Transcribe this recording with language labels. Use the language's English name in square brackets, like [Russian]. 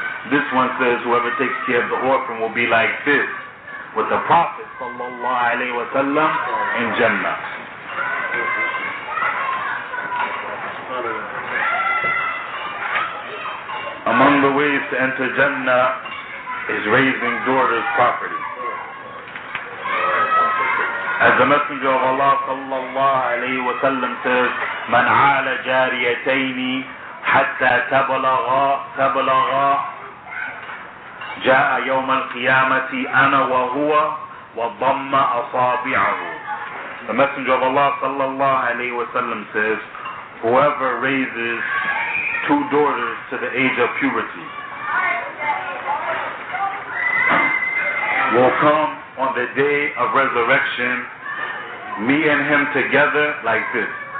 [English] This one says, whoever takes care of the orphan will be like this, with the Prophet, sallallahu alayhi wa sallam, in Jannah. Among the ways to enter Jannah is raising daughters' property. As the Messenger of Allah sallallahu alayhi wa sallam says, [Arabic] من عال جاريتين حتى تبلغا جاء يوم القيامة أنا وهو وضم أصابعه. [English] The Messenger of Allah sallallahu alayhi wa sallam says, whoever raises two daughters to the age of puberty will come on the day of resurrection, me and him together like this.